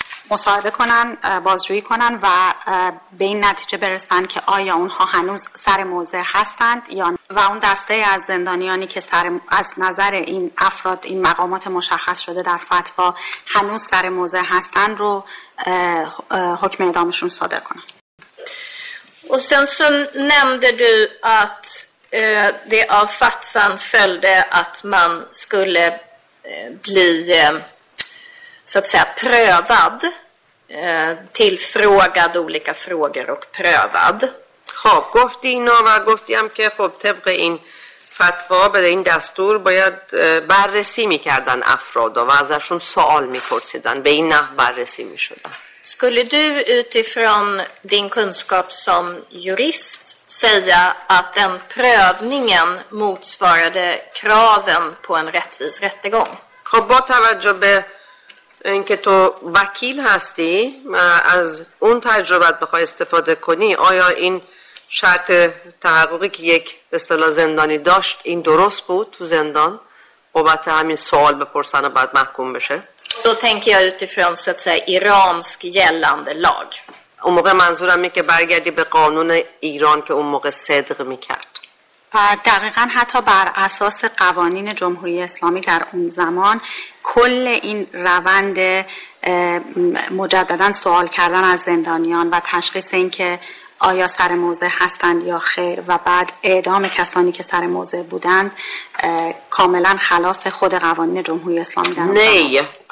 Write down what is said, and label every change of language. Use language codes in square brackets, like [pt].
[fa] مصاحبه کنن، بازجویی کنن و به این نتیجه برسن که آیا اونها هنوز سر موضع هستند یا و اون دسته از زندانیانی که سر از نظر این افراد این مقامات مشخص شده در فتوا هنوز سر موضع هستند رو حکم اعدامشون صادر کنن. [sv] و sen så nämnde du att det av fatvan följde att man skulle bli så att säga prövad, tillfrågad olika frågor och prövad. [fa] خب گفتی اینا و گفتی هم که خب طبق این فتوا به این دستور باید بررسی میکردن افراد و ازشون سوال میپرسیدن به این نحو بررسی میشدن. [sv] Skulle du utifrån din kunskap som jurist säga att den prövningen motsvarade kraven på en rättvis rättegång? [fa] خب با توجه به اینکه تو وکیل هستی از اون تجربت بخوای استفاده کنی آیا این شرط تحققی که یک به اصطلاح زندانی داشت این درست بود تو زندان بابت همین سوال بپرسن و بعد محکوم بشه [sv] دو تنکی ها utifrån så att säga iransk gällande lag [fa] اون موقع منظورم اینکه برگردی به قانون ایران که اون موقع صدق میکرد دقیقا حتی بر اساس قوانین جمهوری اسلامی در اون زمان کل این روند مجددن سوال کردن از زندانیان و تشخیص این که آیا سر موضع هستند یا خیر و بعد اعدام کسانی که سر موضع بودند کاملا خلاف خود قوانین جمهوری اسلامی در اون زمان